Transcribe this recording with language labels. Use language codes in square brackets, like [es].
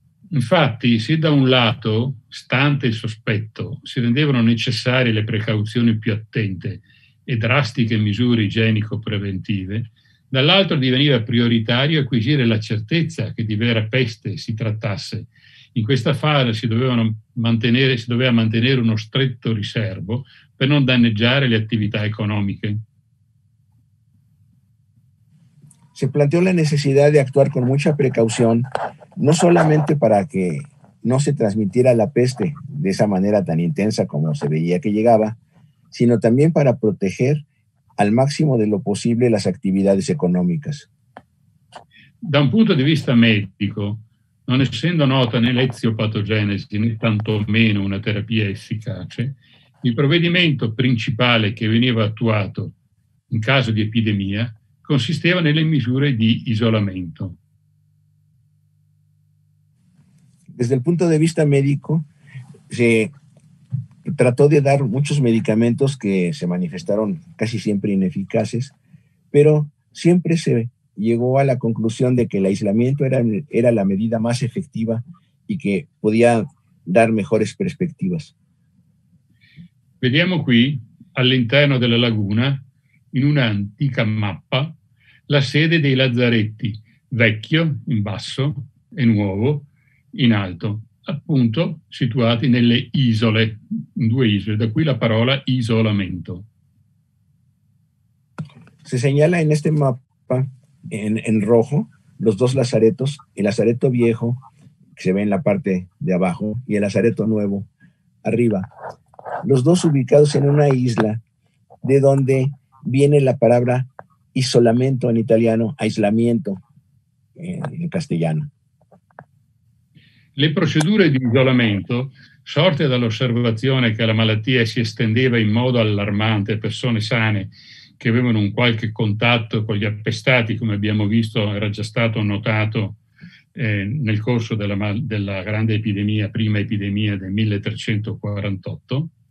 [it] Infatti, se da un lato, stante il sospetto, si rendevano necessarie le precauzioni più attente e drastiche misure igienico-preventive, dall'altro diveniva prioritario acquisire la certezza che di vera peste si trattasse. In questa fase si doveva mantenere uno stretto riservo per non danneggiare le attività economiche. [es] Se planteó la necesidad de actuar con mucha precaución, no solamente para que no se transmitiera la peste de esa manera tan intensa como se veía que llegaba, sino también para proteger al máximo de lo posible las actividades económicas. [it] Da un punto de vista médico, non essendo nota né l'eziopatogenesi né tantomeno una terapia efficace, il provvedimento principale che veniva attuato in caso di epidemia consisteva nelle misure di isolamento. [es] Desde el punto de vista médico, se trató de dar muchos medicamentos que se manifestaron casi siempre ineficaces, pero siempre se llegó a la conclusión de que el aislamiento era la medida más efectiva y que podía dar mejores perspectivas. [it] Vediamo qui, all'interno della laguna, in un'antica mappa, la sede dei lazzaretti, vecchio in basso e nuovo in alto, appunto situati nelle isole, due isole, da qui la parola isolamento. Si segnala in questo mappa, in [es] rojo, [it] i due lazzaretti, il lazzaretto [es] viejo, [it] che si vede in la parte di [es] abajo, [it] e il lazzaretto nuovo, [es] arriba. Los dos ubicados en una isla, de donde viene la palabra isolamento en italiano, aislamiento en castellano. [it] Le procedure di isolamento, sorte dall'osservazione che la malattia si estendeva in modo allarmante a persone sane che avevano un qualche contatto con gli appestati, come abbiamo visto, era già stato notato nel corso della grande epidemia, prima epidemia del 1348,